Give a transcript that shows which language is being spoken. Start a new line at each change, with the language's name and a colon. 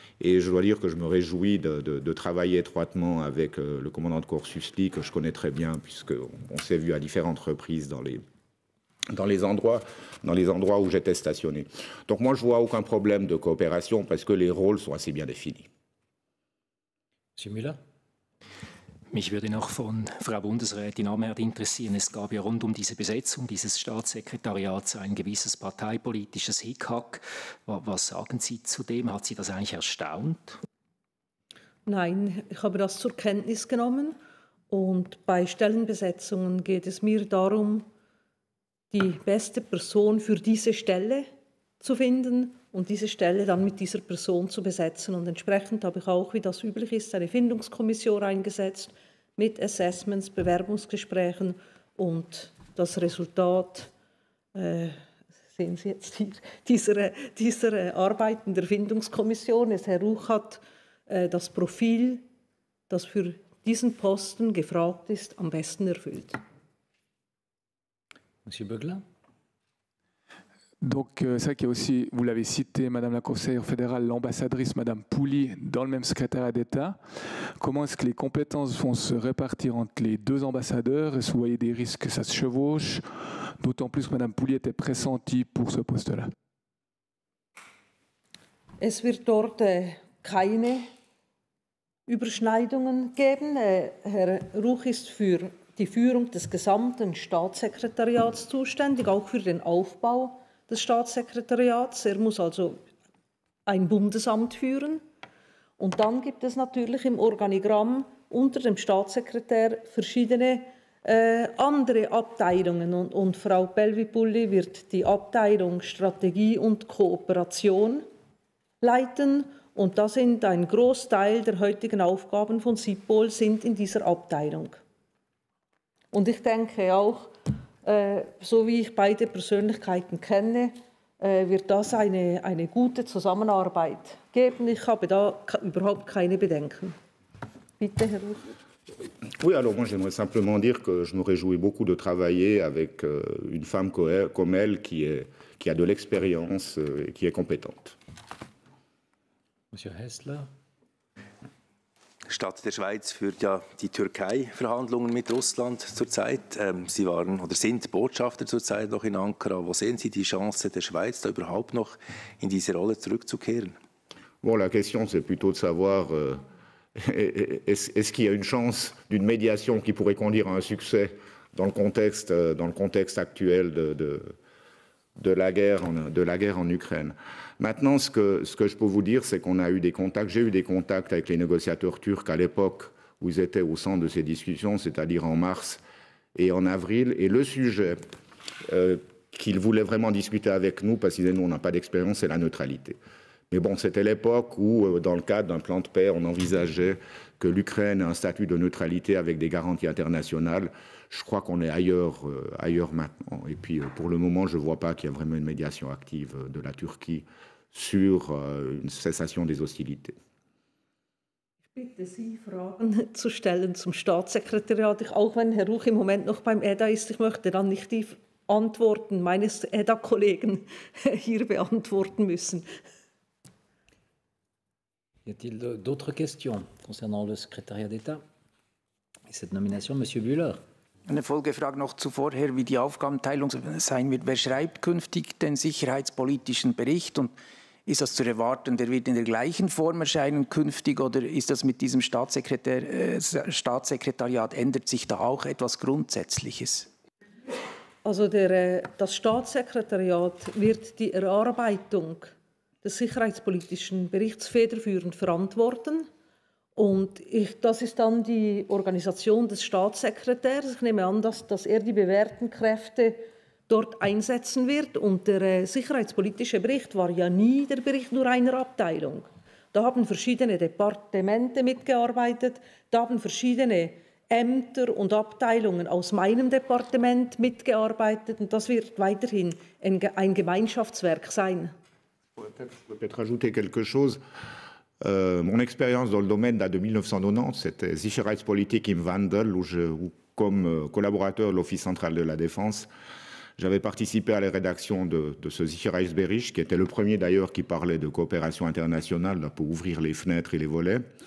French: Et je dois dire que je me réjouis de travailler étroitement avec le commandant de corps Susli, que je connais très bien, puisqu'on s'est vu à différentes reprises dans les endroits où j'étais stationné. Donc moi, je ne vois aucun problème de coopération, parce que les rôles sont assez bien définis. Monsieur Müller.
German: Mich würde noch von Frau Bundesrätin Ammert interessieren. Es gab ja rund um diese Besetzung dieses Staatssekretariats ein gewisses parteipolitisches Hickhack. Was sagen Sie zu dem? Hat Sie das eigentlich erstaunt? Nein, ich habe das zur Kenntnis genommen. Und bei Stellenbesetzungen geht es mir darum, die beste Person für diese Stelle zu finden und diese Stelle dann mit dieser Person zu besetzen. Und entsprechend habe ich auch, wie das üblich ist, eine Findungskommission eingesetzt mit Assessments, Bewerbungsgesprächen. Und das Resultat sehen Sie jetzt hier, dieser Arbeiten der Findungskommission. Es Herr Ruch hat das Profil, das für diesen Posten gefragt ist, am besten erfüllt.
French: Monsieur Beugler. Donc, c'est vrai qu'il y a aussi, vous l'avez cité, Madame la conseillère fédérale, l'ambassadrice Madame Pouli, dans le même secrétariat d'État. Comment est-ce que les compétences vont se répartir entre les deux ambassadeurs? Est-ce que vous voyez des risques que ça se chevauche? D'autant plus que Madame Pouli était pressentie pour ce poste-là.
German: Es wird dort keine Überschneidungen geben. Herr Ruch ist für die Führung des gesamten Staatssekretariats zuständig, auch für den Aufbau des Staatssekretariats. Er muss also ein Bundesamt führen. Und dann gibt es natürlich im Organigramm unter dem Staatssekretär verschiedene andere Abteilungen. Und Frau Pelvipulli wird die Abteilung Strategie und Kooperation leiten. Und da sind ein Großteil der heutigen Aufgaben von SIPOL sind in dieser Abteilung. Und ich denke auch, so wie ich beide Persönlichkeiten kenne, wird das eine gute Zusammenarbeit geben. Ich habe da überhaupt keine Bedenken. Bitte, Herr Ruch.
French: Oui, alors moi j'aimerais simplement dire que je me réjouis beaucoup de travailler avec une femme comme elle qui a de l'expérience et qui est compétente. Monsieur Hessler.
German: Statt der Schweiz führt ja die Türkei Verhandlungen mit Russland zurzeit. Sie waren oder sind Botschafter zurzeit noch in Ankara. Wo sehen Sie die Chance der Schweiz, da überhaupt noch in diese Rolle zurückzukehren?
French: Bon, la question c'est plutôt de savoir est-ce qu'il y a une chance d'une médiation qui pourrait conduire à un succès dans le contexte actuel de la guerre en Ukraine. Maintenant, ce que je peux vous dire, c'est qu'on a eu des contacts. J'ai eu des contacts avec les négociateurs turcs à l'époque où ils étaient au centre de ces discussions, c'est-à-dire en mars et en avril. Et le sujet qu'ils voulaient vraiment discuter avec nous, parce qu'ils disaient « nous, on n'a pas d'expérience », c'est la neutralité. Mais bon, c'était l'époque où, dans le cadre d'un plan de paix, on envisageait que l'Ukraine ait un statut de neutralité avec des garanties internationales. Je crois qu'on est ailleurs maintenant. Et puis, pour le moment, je ne vois pas qu'il y a vraiment une médiation active de la Turquie sur une cessation des hostilités.
German: Ich bitte Sie, Fragen zu stellen zum Staatssekretariat. Auch wenn Herr Ruch im Moment noch beim EDA ist, ich möchte dann nicht die Antworten meines EDA-Kollegen hier beantworten müssen.
French: Y a-t-il d'autres questions concernant le secrétariat d'État et cette nomination, Monsieur Müller?
German: Eine Folgefrage noch zuvor, Herr, wie die Aufgabenteilung sein wird. Wer schreibt künftig den sicherheitspolitischen Bericht und ist das zu erwarten, der wird in der gleichen Form erscheinen künftig oder ist das mit diesem Staatssekretariat, ändert sich da auch etwas Grundsätzliches? Also das Staatssekretariat wird die Erarbeitung des sicherheitspolitischen Berichts federführend verantworten. Und das ist dann die Organisation des Staatssekretärs. Ich nehme an, dass er die bewährten Kräfte dort einsetzen wird. Und der sicherheitspolitische Bericht war ja nie der Bericht nur einer Abteilung. Da haben verschiedene Departemente mitgearbeitet. Da haben verschiedene Ämter und Abteilungen aus meinem Departement mitgearbeitet. Und das wird weiterhin ein Gemeinschaftswerk sein. Ich würde vielleicht noch etwas ajouter.
French: Mon expérience dans le domaine date de 1990, c'était Sicherheitspolitik im Wandel, où comme collaborateur de l'Office central de la défense, j'avais participé à la rédaction de ce Sicherheitsbericht, qui était le premier d'ailleurs qui parlait de coopération internationale là, pour ouvrir les fenêtres et les volets.